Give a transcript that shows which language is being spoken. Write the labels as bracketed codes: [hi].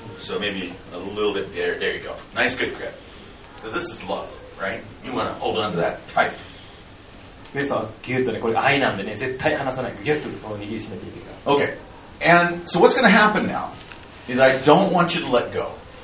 [en] So maybe a little bit there. There you go. Nice good grip. Because this is love, right? You want to hold on to that tight. [ja] 皆さん、ギュッとね、これ愛なんでね、絶対離さない。ギュッと握りしめていてください。 [en] Okay. And so what's going to happen now is I don't want you to let go.